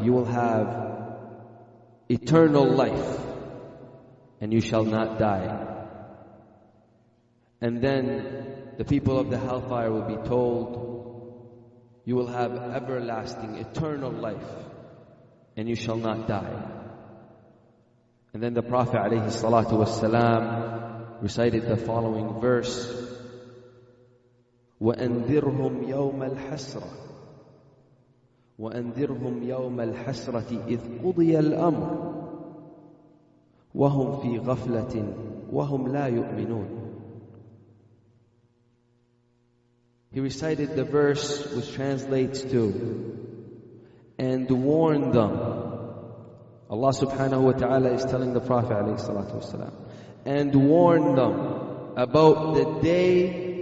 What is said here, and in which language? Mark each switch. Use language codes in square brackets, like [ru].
[en] You will have eternal life. And you shall not die. And then the people of the hellfire will be told, you will have everlasting, eternal life. And you shall not die. And then the Prophet alayhi salatu wasalam recited the following verse, [ar] وَأَنذِرْهُمْ يَوْمَ الْحَسْرَةِ وَأَنذِرْهُمْ يَوْمَ الْحَسْرَةِ إِذْ قُضِيَ الْأَمْرِ وَهُمْ فِي غَفْلَةٍ وَهُمْ لَا يُؤْمِنُونَ. [en] He recited the verse which translates to, and warn them. Allah subhanahu wa ta'ala is telling the Prophet alayhi salatu wasalam, and warn them about the day